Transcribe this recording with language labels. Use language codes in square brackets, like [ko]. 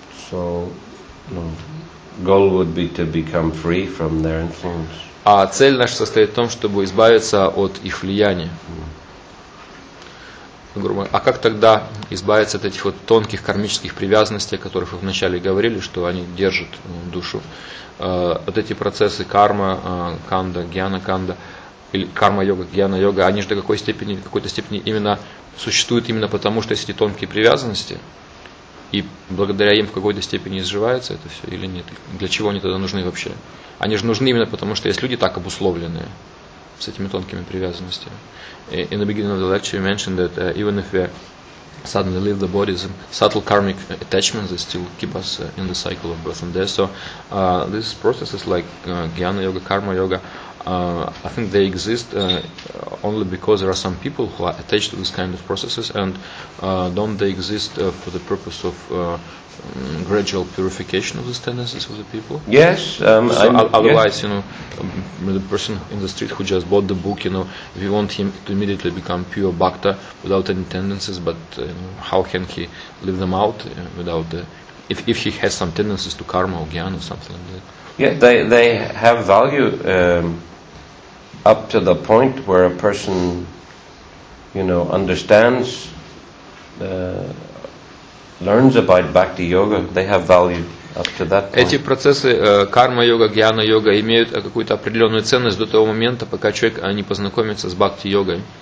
[en] So, no. Goal would be to become free from their influence. [ru] А цель наша состоит в том, чтобы избавиться от их влияния. Грубо. А как тогда избавиться от этих вот тонких кармических привязанностей, о которых вы вначале говорили, что они держат душу? Вот эти процессы карма, канда, гьяна, канда, или карма-йога, гьяна-йога, они же до какой-то степени именно существуют именно потому, что есть эти тонкие привязанности, и благодаря им в какой-то степени изживается это все или нет? Для чего они тогда нужны вообще? Они же нужны именно потому, что есть люди так обусловленные, с этими тонкими привязанностями. [en] In the beginning of the lecture, you mentioned that even if we suddenly leave the body, the subtle karmic attachments that still keep us in the cycle of birth and death. So, this process is like jnana yoga, karma yoga. I think they exist only because there are some people who are attached to this kind of processes, and don't they exist for the purpose of gradual purification of these tendencies of the people? Yes. Otherwise, yes. You know, the person in the street who just bought the book, you know, if you want him to immediately become pure bhakta without any tendencies, but how can he live them out without the, if he has some tendencies to karma or jnana or something like that? Yeah, they have value up to the point where a person, you know, understands, learns about bhakti yoga. They have value up to that point. [ru] Эти процессы карма йога, гьяна йога имеют какую-то определенную ценность до того момента, пока человек не познакомится с бхакти йогой.